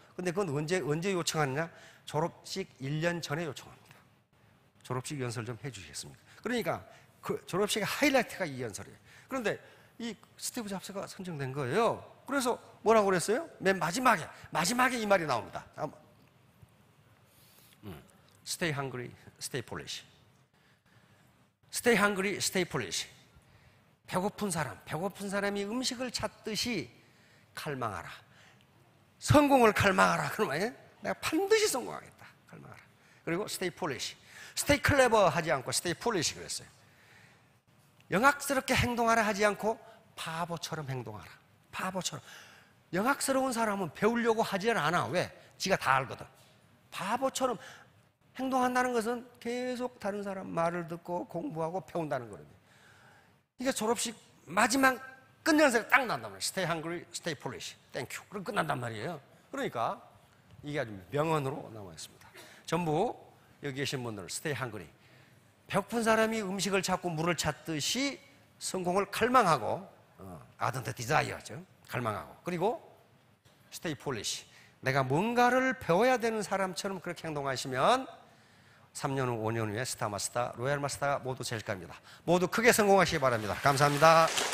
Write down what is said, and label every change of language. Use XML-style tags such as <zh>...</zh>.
<ko>근데 그건 언제 요청하느냐? 졸업식 1년 전에 요청합니다. 졸업식 연설 좀 해주시겠습니까? 그러니까 그 졸업식의 하이라이트가 이 연설이에요. 그런데 이 스티브 잡스가 선정된 거예요. 그래서 뭐라고 그랬어요? 맨 마지막에 이 말이 나옵니다.</ko> <en>Stay hungry, stay foolish. Stay hungry, stay foolish.</en> <ko>배고픈 사람이 음식을 찾듯이 갈망하라. 성공을 갈망하라. 그러면 내가 반드시 성공하겠다. 갈망하라. 그리고</ko> <en>stay foolish. Stay clever</en> <ko>하지 않고</ko> <en>stay foolish</en> <ko>그랬어요. 영악스럽게 행동하라 하지 않고 바보처럼 행동하라. 바보처럼. 영악스러운 사람은 배우려고 하지 않아. 왜? 지가 다 알거든. 바보처럼 행동한다는 것은 계속 다른 사람 말을 듣고 공부하고 배운다는 거거든요. 이게 졸업식 마지막 끝연설이 딱 난단 말이에요.</ko> <en>Stay hungry, stay foolish. Thank you.</en> <ko>그럼 끝난단 말이에요. 그러니까 이게 아주 명언으로 남아있습니다. 전부 여기 계신 분들</ko> <en>Stay hungry.</en> <ko>배고픈 사람이 음식을 찾고 물을 찾듯이 성공을 갈망하고</ko> <en>ardent desire</en> <ko>죠. 갈망하고. 그리고</ko> <en>Stay foolish.</en> <ko>내가 뭔가를 배워야 되는 사람처럼 그렇게 행동하시면 3년 후, 5년 후에 스타마스터, 로얄마스터가 모두 제일 갑니다. 모두 크게 성공하시기 바랍니다. 감사합니다.</ko>